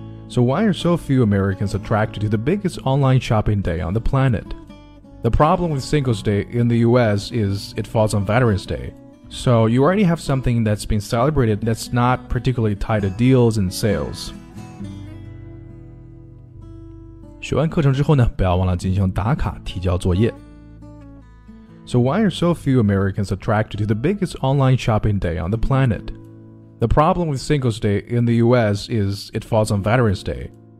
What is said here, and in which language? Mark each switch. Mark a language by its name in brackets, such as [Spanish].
[English] So why are so few Americans attracted to the biggest online shopping day on the planet? The problem with Singles Day in the US is it falls on Veterans Day. So you already have something that's been celebrated that's not particularly tied to deals and sales. [Chinese] 学完课程之后呢，不要忘了进行打卡提交作业。 [English] So why are so few Americans attracted to the biggest online shopping day on the planet?The problem with Singles Day in the US is it falls on Veterans Day.